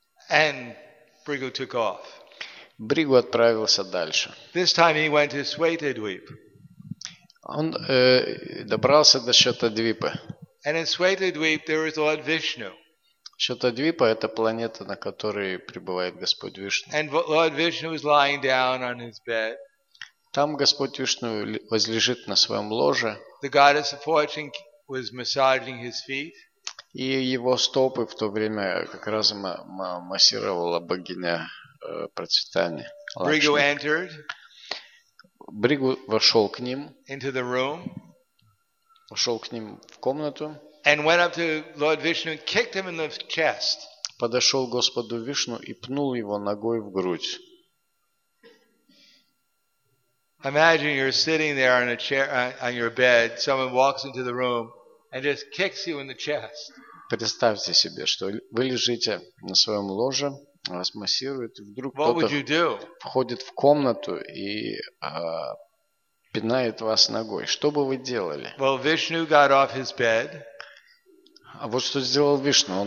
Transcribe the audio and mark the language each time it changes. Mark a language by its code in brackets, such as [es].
[en] And Бригу took off. [ru] Бригу отправился дальше. [en] This time he went to Swetadvip. [ru] Он добрался до Шетадвипы. [en] And in Swetadvip there is Lord Vishnu. [ru] Шетадвипа – это планета, на которой пребывает Господь Вишну. [en] And Lord Vishnu is lying down on his bed. [ru] Там Господь Вишну возлежит на своем ложе. [en] The goddess of fortune was massaging his feet. [ru] И его стопы в то время как раз массировала богиня. [en] Бригу entered. [ru] Бригу вошел к ним. [en] Into the room. [ru] ушел к ним в комнату. [en] And went up to Lord Vishnu and kicked him in the chest. [ru] Подошел к Господу Вишну и пнул его ногой в грудь. [en] Imagine you're sitting there on a chair on your bed, someone walks into the room and just kicks you in the chest. [ru] Представьте себе, что вы лежите на своем ложе, вас массируют, и вдруг кто-то входит в комнату и пинает вас ногой. Что бы вы делали? [en] Well, Vishnu got off his bed. [ru] А вот что сделал Вишну.